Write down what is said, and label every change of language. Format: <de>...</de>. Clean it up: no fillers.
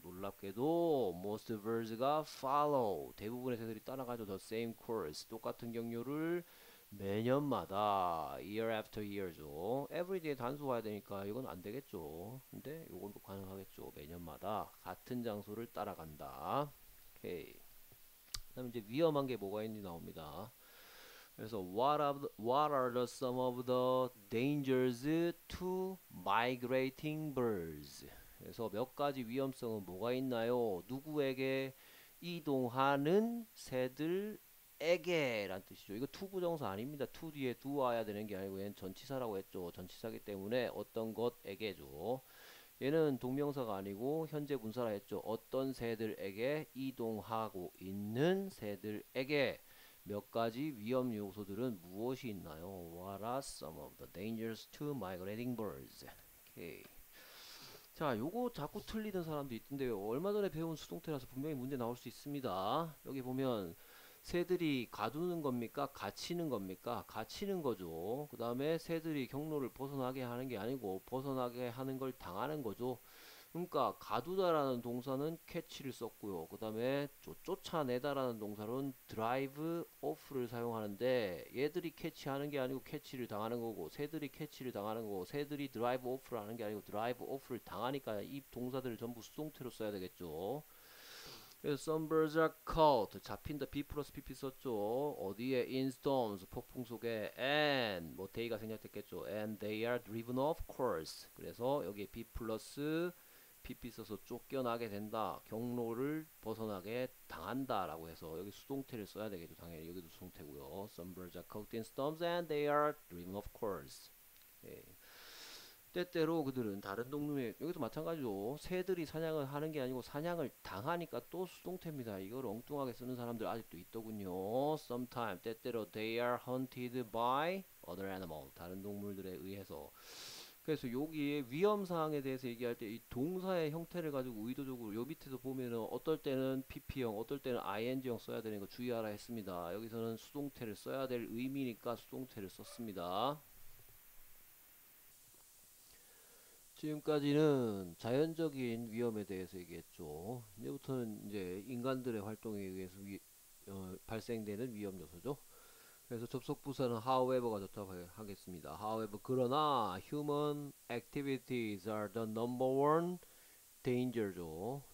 <ko>놀랍게도 most birds 가 follow 대부분의 새들이 따라가죠. The same course 똑같은 경로를 매년마다 year after year 죠. everyday 단수화해야 되니까 이건 안 되겠죠. 근데 요건 또 가능하겠죠. 매년마다 같은 장소를 따라간다. 오케이. 그다음 이제 위험한 게 뭐가 있는지 나옵니다.</ko> <en>그래서 what are some of the dangers to migrating birds?</en> <ko>그래서 몇 가지 위험성은 뭐가 있나요? 누구에게 이동하는 새들 에게란 뜻이죠. 이거 투 부정사 아닙니다. 투 뒤에 두어야 되는 게 아니고 얘는 전치사라고 했죠. 전치사기 때문에 어떤 것에게죠. 얘는 동명사가 아니고 현재 분사라 했죠. 어떤 새들에게 이동하고 있는 새들에게 몇 가지 위험 요소들은 무엇이 있나요?</ko> <en>What are some of the dangers to migrating birds?</en> <ko>오케이. 자, 요거 자꾸 틀리는 사람도 있던데요. 얼마 전에 배운 수동태라서 분명히 문제 나올 수 있습니다. 여기 보면 새들이 가두는 겁니까? 갇히는 겁니까? 갇히는 거죠. 그 다음에 새들이 경로를 벗어나게 하는 게 아니고 벗어나게 하는 걸 당하는 거죠. 그러니까 가두다라는 동사는 캐치를 썼고요. 그 다음에 쫓아내다라는 동사로는 드라이브 오프를 사용하는데 얘들이 캐치하는 게 아니고 캐치를 당하는 거고 새들이 캐치를 당하는 거고 새들이 드라이브 오프를 하는 게 아니고 드라이브 오프를 당하니까 이 동사들을 전부 수동태로 써야 되겠죠.</ko> <en>그래서 some birds are caught. 잡힌다. be plus pp 썼죠. 어디에? in storms. 폭풍 속에. and. 뭐, they가 생략됐겠죠. and they are driven off course.</en> <ko>그래서 여기에 be plus pp 써서 쫓겨나게 된다. 경로를 벗어나게 당한다. 라고 해서 여기 수동태를 써야 되겠죠. 당연히 여기도 수동태고요.</ko> <en>some birds are caught in storms and they are driven off course.</en> <ko>예. 때때로 그들은 다른 동물에 여기도 마찬가지죠. 새들이 사냥을 하는 게 아니고 사냥을 당하니까 또 수동태입니다. 이걸 엉뚱하게 쓰는 사람들 아직도 있더군요.</ko> <en>Sometimes 때때로 they are hunted by other animals.</en> <ko>다른 동물들에 의해서. 그래서 여기에 위험 사항에 대해서 얘기할 때이 동사의 형태를 가지고 의도적으로 요 밑에서 보면은 어떨 때는 PP형, 어떨 때는 ING형 써야 되는 거 주의하라 했습니다. 여기서는 수동태를 써야 될 의미니까 수동태를 썼습니다. 지금까지는 자연적인 위험에 대해서 얘기했죠. 이제부터는 이제 인간들의 활동에 의해서 발생되는 위험 요소죠. 그래서 접속 부사는 however가 좋다고 하겠습니다.</ko> <en>However, 그러나 human activities are the number one danger죠.</en>